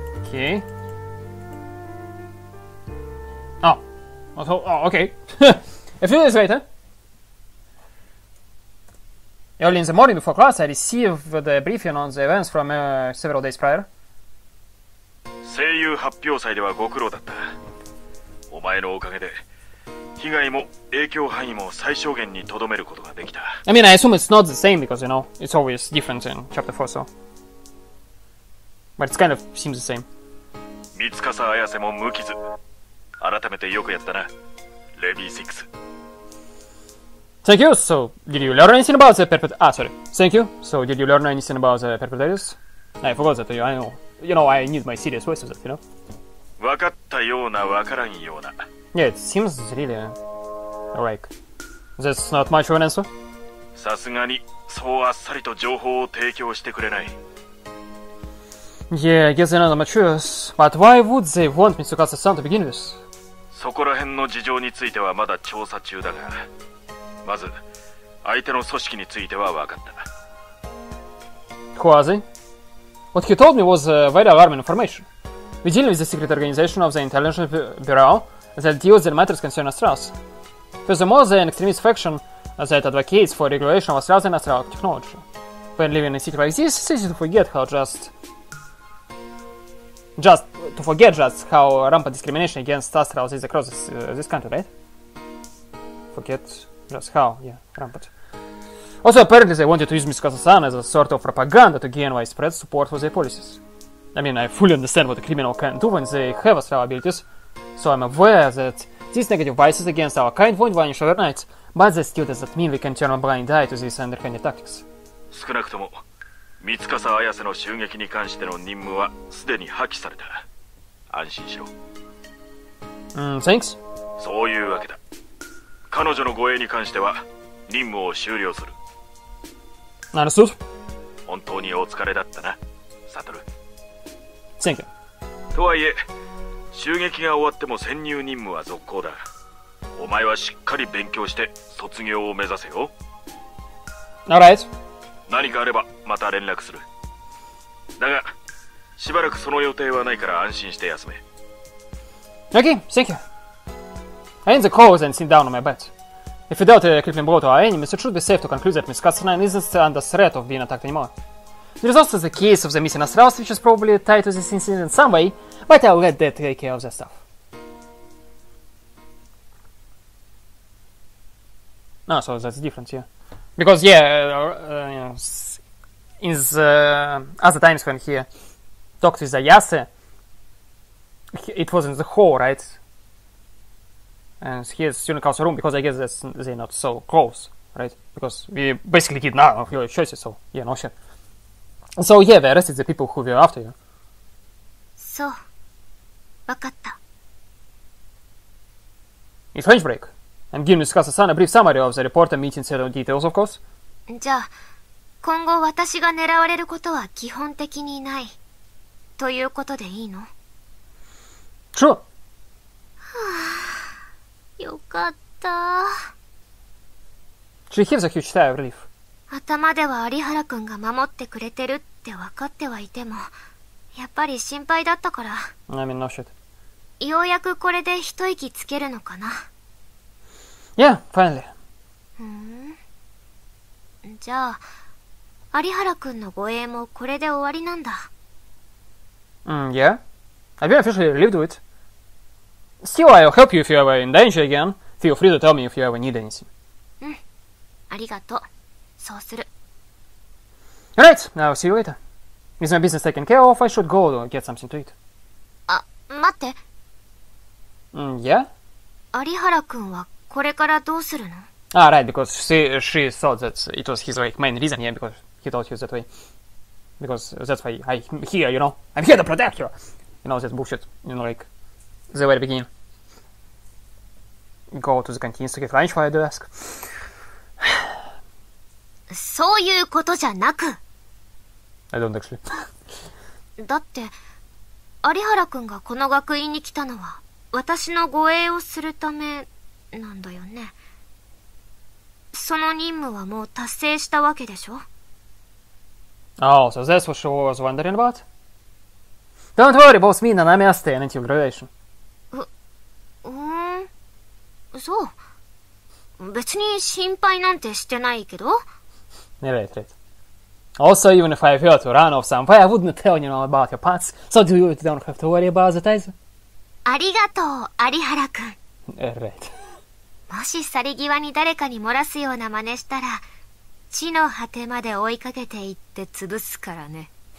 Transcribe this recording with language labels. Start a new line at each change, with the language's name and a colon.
English: Okay. Okay. A few days later, early in the morning before class, I received the briefing on the events from several days prior.
Japanese: 声優発表祭ではご苦労だった。お前のおかげで被害も影響範囲も最小限にとどめることができた。
English: I mean, I assume it's not the same because, you know, it's always different in Chapter 4, so... But it kind of seems the same.
Japanese: 三笠綾瀬も無傷。改めてよくやったな、レビー6。
English: Thank you! So, did you learn anything about the perpetrators? Ah, sorry. Thank you! So, did you learn anything about the perpetrators? I forgot that, you know. You know, I need my serious voice for that, you know?
Japanese: 分かったような、分からんような。
English: Yeah, it seems really... Like... That's not much of an answer.
Japanese: さすがに、そうあっさりと情報を提供してくれない。
English: Yeah, I guess they're not amateurs. But why would they want Mitsukasa-san to begin with?
Japanese: そこら辺の事情についてはまだ調査中だが。まず、相手の組織については分かった。
English: Who are they? What he told me was a very alarming information. We deal with the secret organization of the Intelligence Bureau that deals in matters concerning Astralis. Furthermore, they're an extremist faction that advocates for regulation of Astralis and Astral technology. When living in a secret like this, it's easy to forget how just how rampant discrimination against Astralis is across this country, right? Forget... Just how, yeah, rampant. Also, apparently they wanted to use Mitsukasa-san as a sort of propaganda to gain widespread support for their policies. I mean, I fully understand what a criminal can do when they have astral abilities, so I'm aware that these negative biases against our kind won't vanish overnight, but they still doesn't mean we can turn a blind eye to these underhanded tactics.
Japanese: 少なくとも、三笠綾瀬の襲撃に関しての任務はすでに破棄された。安心しろ。
English: Thanks.
Japanese: そういうわけだ。彼女の護衛に関しては任務を終了する。なるほど。本当にお疲れだったな、サトル。
English: Thank you.
Japanese: とはいえ、襲撃が終わっても潜入任務は続行だ。お前はしっかり勉強して卒業を目指せよ。
English: Alright.
Japanese: 何かあればまた連絡する。だが、しばらくその予定はないから安心して休め。
English: Okay, thank you. I end the call and sit down on my bed. If we dealt a crippling blow to our enemies, it should be safe to conclude that Miss Katsunan isn't under threat of being attacked anymore. There is also the case of the missing Astralis, which is probably tied to this incident in some way, but I'll let that take care of that stuff. Ah, so that's different, yeah. Because, yeah, in the other times when he talked with Ayase, it was in the hall, right? And here's Unical's room, because I guess that's, they're not so close, right? Because we basically did none of your choices, so yeah, no shit. So yeah, they arrested the people who were after you.
Japanese: So, wakatta.
English: It's lunch break. I'm giving Mitsukasa-san a brief summary of the report and meeting several details, of course.
Japanese: Ja, 今後私が狙われることは基本的にない。ということでいいの?
English: True.
Japanese: よかった。
English: She heaves a huge sigh of relief.
Japanese: 頭では有原くんが守ってくれてるって分かってはいても、やっぱり心配だったから。
English: I mean, no shit.
Japanese: ようやくこれで一息つけるのかな。
English: Yeah, finally.
Japanese: じゃあ、有原くんの護衛もこれで終わりなんだ。
English: Yeah. I've been officially relieved with it. Still, I'll help you if you're ever in danger again. Feel free to tell me if you ever need anything.
Japanese: Arigato. So する
English: Alright, I'll see you later. Is my business taken care of? I should go or get something to eat.
Japanese: Matte.
English: Yeah?
Japanese: Arihara-kun wa kore kara dou suru no?
English: Ah, right, because she thought that it was his like, main reason, yeah, because he told you that way. Because that's why I'm here, you know? I'm here to protect you! You know, that bullshit, you know, like... The very beginning. Go to the canteen to get lunch while I do ask.
Japanese: そういうことじゃなく。
English: I don't actually.
Japanese: だって、有原くんがこの学院に来たのは、私の護衛をするためなんだよね。その任務はもう達成したわけでしょ?
English: Oh, so that's what she was wondering about? Don't worry, both me and Anami are staying until graduation.
Japanese: そう。別に心配なんてしてないけど。
English: Right, right. Also, even if I were to run off somewhere, I wouldn't tell anyone about your parts. So do you don't have to worry about the ties?
Japanese: ありがとう、有原くん。
English: Right.
Japanese: もし去り際に誰かに漏らすような真似したら、地の果てまで追いかけていって潰すからね。